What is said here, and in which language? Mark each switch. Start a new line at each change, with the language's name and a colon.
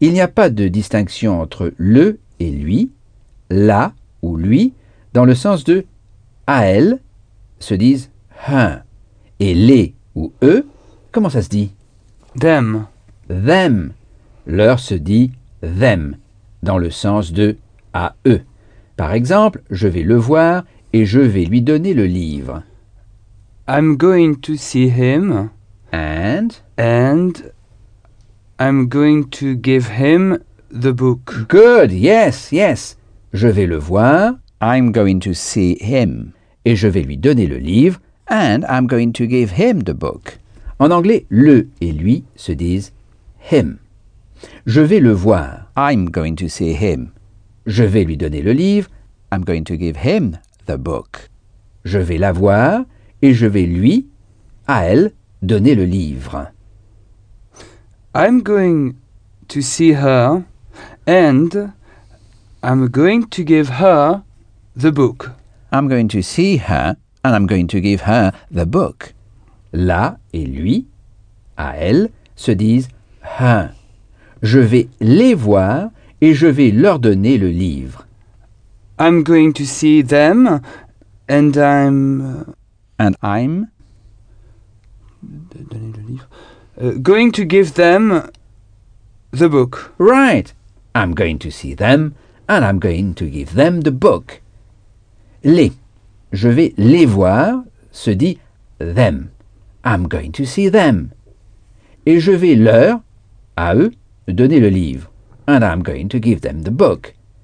French: Il n'y a pas de distinction entre « le » et « lui », »,« là » ou « lui », dans le sens de « à elle » se disent « her » et « les » ou « eux », comment ça se dit ?«
English: Them ».« Them ».
French: Leur se dit « them » dans le sens de « à eux ». Par exemple, je vais le voir et je vais lui donner le livre.
English: « I'm going to see him. » « And ?»« And I'm going to give him the book. » « Good, yes, yes. »
French: Je vais le voir.
English: » I'm going to see him.
French: Et je vais lui donner le livre.
English: And I'm going to give him the book.
French: En anglais, le et lui se disent him. Je vais le voir.
English: I'm going to see him.
French: Je vais lui donner le livre.
English: I'm going to give him the book.
French: Je vais la voir et je vais lui, à elle, donner le livre.
English: I'm going to see her and I'm going to give her the book. I'm going to see her and I'm going to give her the book.
French: La et lui, à elle, se disent her. Je vais les voir et je vais leur donner le livre.
English: I'm going to see them and I'm... And I'm...
French: Donner le livre.
English: Going to give them the book. Right. I'm going to see them and I'm going to give them the book.
French: Les. Je vais les voir, se dit them.
English: I'm going to see them.
French: Et je vais leur, à eux, donner le livre.
English: And I'm going to give them the book.